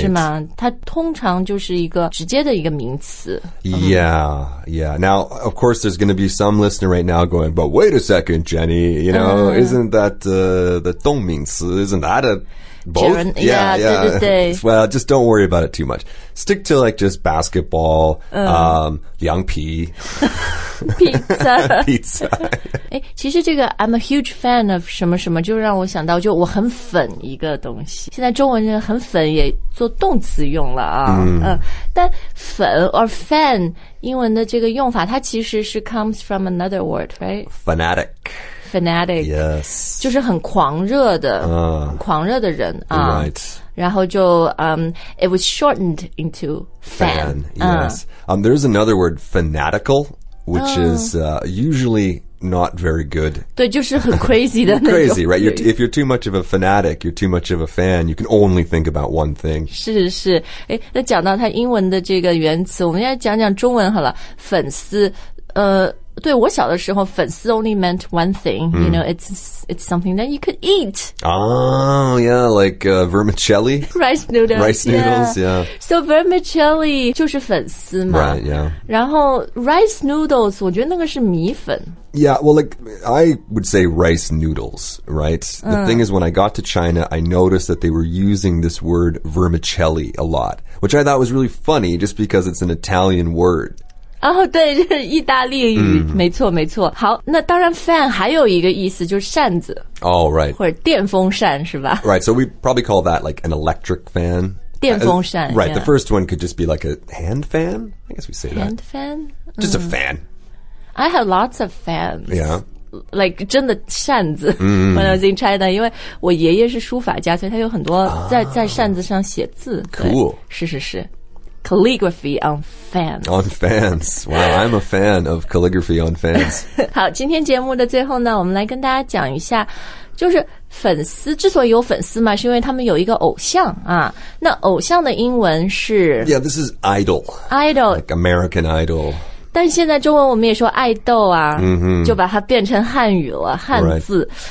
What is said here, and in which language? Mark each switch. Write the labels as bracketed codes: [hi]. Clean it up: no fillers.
[zh] 是吗它通常就是一个直接的一个名词。 [en] Yeah, yeah. Now, of course, there's going to be some listener right now going, but wait a second, Jenny, you know, isn't that the [zh] 动名词 [en] Isn't that a both? Yeah. Well, just don't worry about it too much. Stick to like just basketball, 凉皮。 Pizza. Pizza. [zh] 其实这个 [en] I'm a huge fan of [zh] 什么什么就让我想到就我很粉一个东西。现在中文很粉也做动词用了啊。但粉 [en] or fan, [zh] 英文的这个用法它其实是 [en] comes from another word, right? Fanatic. Fanatic. Yes. [zh] 就是很狂热的、狂热的人啊。 [en] Right. [zh] 然后就 [en] it was shortened into fan. Yes. There's another word, fanatical. Which is usually not very good. [zh] 对就是很 crazy 的那种。 [en] crazy, right? If you're too much of a fanatic, you're too much of a fan, you can only think about one thing. [zh] 是是。那讲到他英文的这个原词我们现在讲讲中文好了。粉丝对我小的时候粉丝 [en] only meant one thing,、you know, it's something that you could eat. Oh, yeah, like vermicelli. Rice noodles. Rice noodles, yeah. So vermicelli [zh] 就是粉丝嘛。 [en] Right, yeah. [zh] 然后 rice noodles, 我觉得那个是米粉。 [en] Yeah, well, like, I would say rice noodles, right? The thing is, when I got to China, I noticed that they were using this word vermicelli a lot, which I thought was really funny just because it's an Italian word. [zh] 对就是意大利语、没错没错。好那当然 fan 还有一个意思就是扇子。 [en] Oh, right. [zh] 或者电风扇是吧 [en] Right, so we probably call that like an electric fan. [zh] 电风扇。 [en] Right, the first one could just be like a hand fan. I guess we say hand that. Hand fan? Just a fan. I have lots of fans. Yeah. Like, [zh] 真的扇子、 [en] when I was in China, [zh] 因为我爷爷是书法家所以他有很多在扇子上写字。 [en] Cool. [zh] 是是是。 [en] Calligraphy on fans. On fans. Wow, I'm a fan of calligraphy on fans. [zh] 好今天节目的最后呢我们来跟大家讲一下就是粉丝之所以有粉丝嘛是因为他们有一个偶像啊。那偶像的英文是 [en] Yeah, this is idol. Idol. Like American idol. [zh] 但现在中文我们也说爱豆啊、就把它变成汉语了汉字、